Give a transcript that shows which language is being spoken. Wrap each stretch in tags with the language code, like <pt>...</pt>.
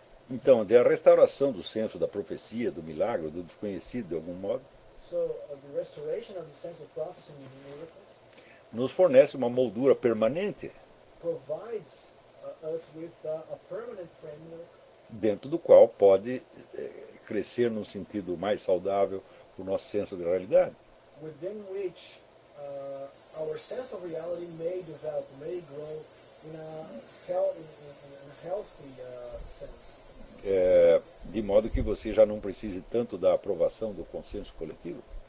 <pt>Então, de a restauração do senso da profecia, do milagre, do desconhecido, de algum modo.</pt> <en>So, the restoration of the sense of prophecy and miracle</en> <pt>nos fornece uma moldura permanente,</pt> <en>provides us with a permanent framework</en> <pt>dentro do qual pode crescer num sentido mais saudável o nosso senso de realidade.</pt> <en>Within which our sense of reality may develop, may grow in a healthy sense.</en> <pt>De modo que você já não precise tanto da aprovação do consenso coletivo.</pt>